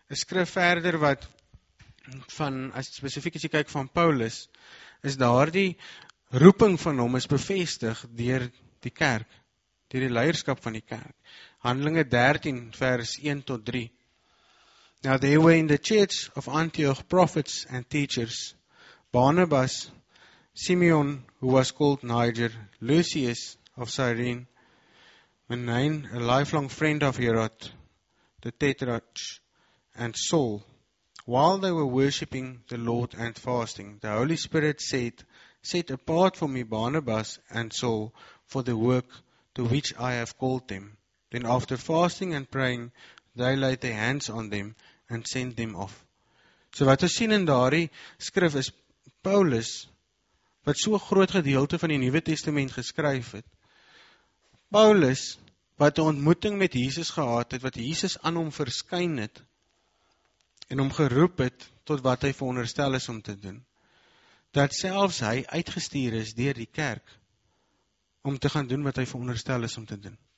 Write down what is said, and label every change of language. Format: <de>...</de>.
<af>Ek skryf verder wat, van, as spesifiek as jy kyk van Paulus, is daar die roeping van hom is bevestig deur die kerk, deur die leierskap van die kerk. Handelinge 13 vers 1 tot 3.</af> <en>Now they were in the church of Antioch prophets and teachers, Barnabas, Simeon, who was called Niger, Lucius of Cyrene, Manain, a lifelong friend of Herod, the Tetrarch, and Saul. While they were worshipping the Lord and fasting, the Holy Spirit said, Set apart for me Barnabas and Saul for the work to which I have called them. Then after fasting and praying, they laid their hands on them and sent them off.</en> <af>So wat ons sien in daardie skrif is Paulus, wat so groot gedeelte van die Nuwe Testament geskryf het, Paulus, wat die ontmoeting met Jesus gehad het, wat Jesus aan hom verskyn het, en hom geroep het, tot wat hy veronderstel is om te doen, dat selfs hy uitgestuur is deur die kerk, om te gaan doen wat hy veronderstel is om te doen.</af>